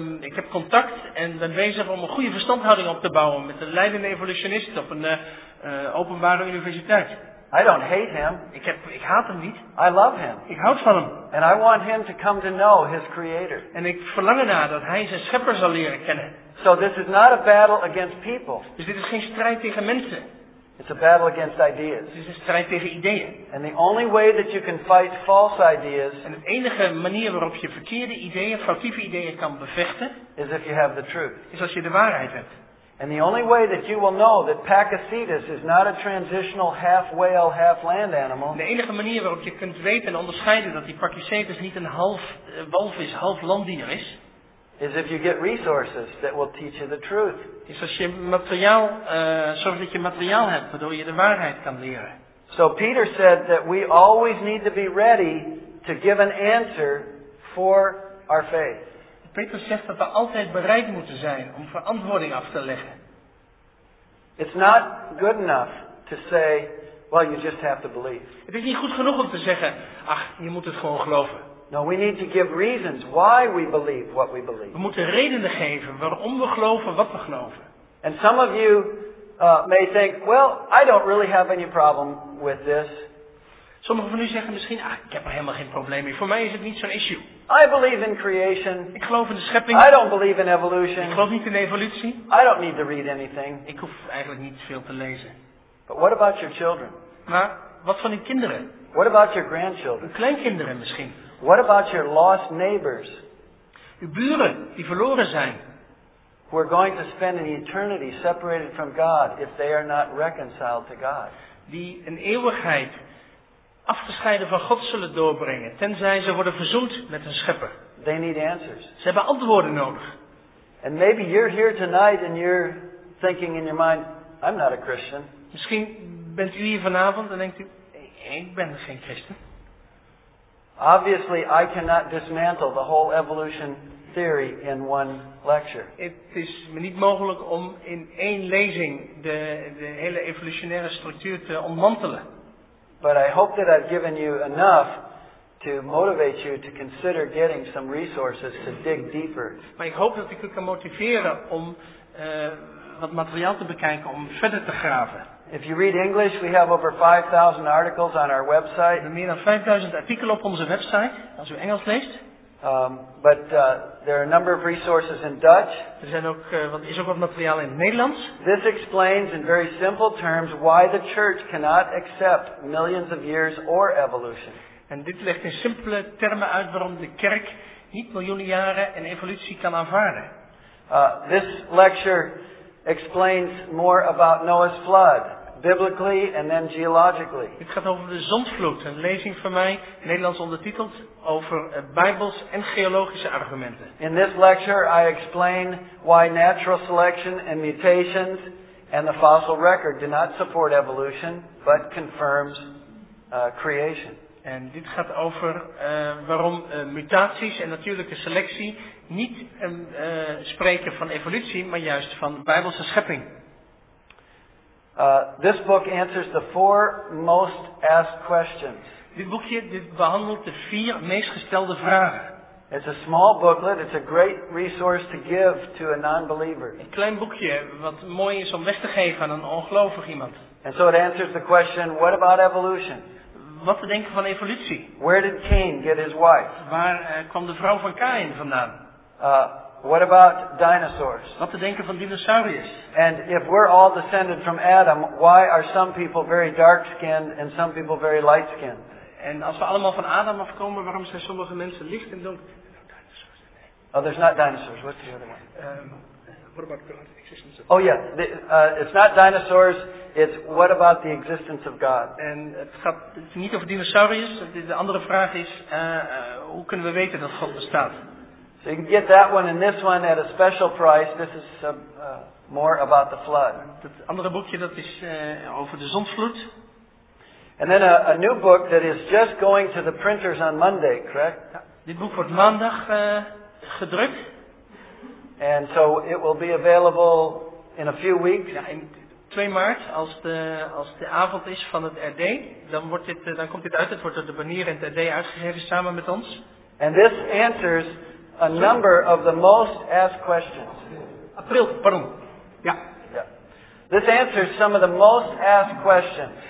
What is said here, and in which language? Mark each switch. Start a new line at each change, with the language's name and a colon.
Dutch: Ik heb contact en ben bezig om een goede verstandhouding op te bouwen met een leidende evolutionist op een openbare universiteit.
English: I don't hate him.
Dutch: Ik haat hem niet.
English: I love him.
Dutch: Ik houd van hem.
English: And I want him to come to know his creator.
Dutch: En ik verlang ernaar dat hij zijn schepper zal leren kennen.
English: So this is not a battle against people.
Dutch: Dus dit is geen strijd tegen mensen.
English: It's a battle against ideas.
Dutch: Het is een strijd tegen ideeën.
English: And the only way that you can fight false ideas.
Dutch: En de enige manier waarop je verkeerde ideeën, foutieve ideeën kan bevechten,
English: is if you have the truth.
Dutch: Is als je de waarheid hebt.
English: And the only way that you will know that Pachycetus is not a transitional half whale, half land animal.
Dutch: De enige manier waarop je kunt weten en onderscheiden dat die Pachycetus niet een half walvis, half landdier is.
English: Is if you get resources that will teach you the truth.
Dutch: Is als je materiaal, zorg dat je materiaal hebt waardoor je de waarheid kan leren.
English: So Peter said that we always need to be ready to give an answer for our faith.
Dutch: Peter zegt dat we altijd bereid moeten zijn om verantwoording af te leggen.
English: It's not good enough to say, well, you just have to believe.
Dutch: Het is niet goed genoeg om te zeggen, ach, je moet het gewoon geloven.
English: No, we need to give reasons why we believe what we believe.
Dutch: We moeten redenen geven waarom we geloven wat we geloven.
English: And some of you may think, well, I don't really have any problem with this.
Dutch: Sommigen van u zeggen misschien, ah, ik heb er helemaal geen probleem mee. Voor mij is het niet zo'n issue.
English: I believe in creation.
Dutch: Ik geloof in de schepping.
English: I don't believe in evolution.
Dutch: Ik geloof niet in evolutie.
English: I don't need to read anything.
Dutch: Ik hoef eigenlijk niet veel te lezen.
English: But what about your children?
Dutch: Maar wat van uw kinderen?
English: What about your grandchildren?
Dutch: Uw kleinkinderen misschien.
English: What about your lost neighbors?
Dutch: Uw buren die verloren zijn.
English: Who are going to spend an eternity separated from God if they are not reconciled to God.
Dutch: Die een eeuwigheid afgescheiden van God zullen doorbrengen, tenzij ze worden verzoend met hun schepper.
English: They need answers.
Dutch: Ze hebben antwoorden nodig.
English: And maybe you're here tonight and you're thinking in your mind, I'm not a Christian.
Dutch: Misschien bent u hier vanavond en denkt u, ik ben geen christen.
English: Obviously, I cannot dismantle the whole evolution theory in one lecture.
Dutch: Het is me niet mogelijk om in één lezing de hele evolutionaire structuur te ontmantelen.
English: But I hope that I've given you enough to motivate you to consider getting some resources to dig deeper.
Dutch: Maar ik hoop dat ik u kan motiveren om wat materiaal te bekijken om verder te graven.
English: If you read English, we have over 5,000 articles on our website.
Dutch: We hebben meer dan 5,000 artikelen op onze website, als u Engels leest.
English: There are a number of resources in Dutch.
Dutch: Er zijn ook, is ook wat materiaal in Nederlands.
English: This explains in very simple terms why the church cannot accept millions of years or evolution.
Dutch: En dit legt in simpele termen uit waarom de kerk niet miljoenen jaren en evolutie kan aanvaarden.
English: This lecture explains more about Noah's flood, biblically and then geologically.
Dutch: Dit gaat over de zondvloed, een lezing van mij, Nederlands ondertiteld, over Bijbels en geologische argumenten.
English: In this lecture I explain why natural selection and mutations and the fossil record do not support evolution, but confirms creation.
Dutch: En dit gaat over waarom mutaties en natuurlijke selectie niet spreken van evolutie, maar juist van Bijbelse schepping.
English: This book answers the four most asked questions.
Dutch: Dit boekje dit behandelt de vier meest gestelde vragen.
English: It's a small booklet. It's a great resource to give to a non-believer.
Dutch: Een klein boekje wat mooi is om weg te geven aan een ongelovig iemand.
English: And so it answers the question, what about evolution?
Dutch: Wat te denken van evolutie?
English: Where did Cain get his wife?
Dutch: Waar kwam de vrouw van Cain vandaan?
English: What about dinosaurs?
Dutch: Wat te denken van dinosauriërs?
English: And if we're all descended from Adam, why are some people very dark-skinned and some people very light-skinned?
Dutch: En als we allemaal van Adam afkomen, waarom zijn sommige mensen licht en donker?
English: Oh, there's not dinosaurs. What's the other one? What about God's existence of God? Oh, yeah. It's not dinosaurs. It's what about the existence of God?
Dutch: En het gaat niet over dinosauriërs. De andere vraag is, hoe kunnen we weten dat God bestaat?
English: So you can get that one and this one at a special price. This is more about the flood.
Dutch: Het andere boekje, dat is over de zondvloed.
English: And then a new book that is just going to the printers on Monday, correct?
Dutch: Ja, dit boek wordt maandag gedrukt.
English: And so it will be available in a few weeks.
Dutch: Ja, in 2 maart, als de avond is van het RD, dan komt dit uit. Het wordt door de banier en het RD uitgegeven samen met ons.
English: And this answers a number of the most asked questions.
Dutch: April, pardon. Ja.
English: Yeah. This answers some of the most asked questions.